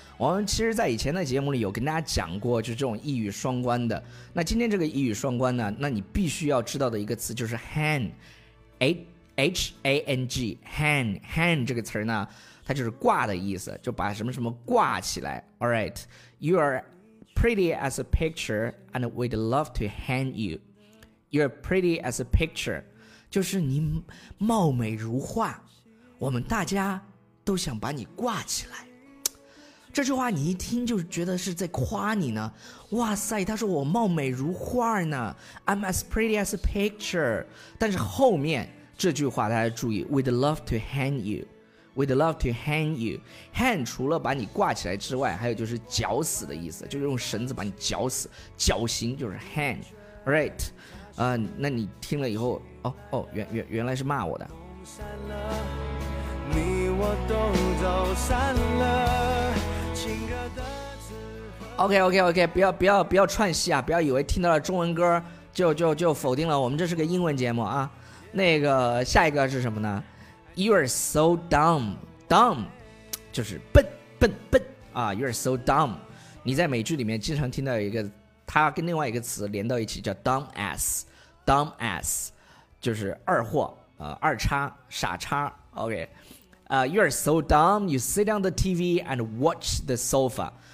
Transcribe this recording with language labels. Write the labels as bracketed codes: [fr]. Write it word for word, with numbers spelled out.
[zh] 我们其实在以前的节目里有跟大家讲过，就是这种一语双关的。那今天这个一语双关呢，那你必须要知道的一个词就是 hang H A N G hang hang 这个词呢，它就是挂的意思，就把什么什么挂起来。 [en] Alright, you are pretty as a picture and we'd love to hang you. You're pretty as a picture， [zh] 就是你貌美如画，我们大家都想把你挂起来。这句话你一听就觉得是在夸你呢，哇塞，他说我貌美如画呢， [en] I'm as pretty as a picture。 [zh] 但是后面这句话大家注意， [en] We'd love to hang you [zh] We'd love to hang you Hang 除了把你挂起来之外，还有就是绞死的意思，就是用绳子把你绞死，绞刑就是 hang。 Alright， 呃，那你听了以后，哦哦，原原原来是骂我的。你我都走散了，情歌的字痕。 OK OK OK， 不要不要不要串戏啊，不要以为听到了中文歌就就就否定了我们这是个英文节目啊。那个下一个是什么呢？ [en] You are so dumb Dumb [zh] 就是笨笨笨啊。 [en] You are so dumb， [zh] 你在美剧里面经常听到一个，它跟另外一个词连到一起叫 dumb ass Dumb ass 就是二货、呃、二叉傻叉。 [en] OK， uh, You are so dumb You sit on the T V and watch the sofa。